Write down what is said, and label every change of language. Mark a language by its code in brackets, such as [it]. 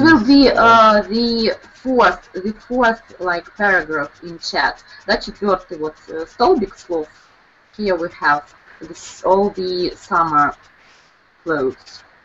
[en] It will be the fourth like paragraph in chat. [ru] Да, четвертый вот столбик слов. [en] Here we have this, all the summer clothes.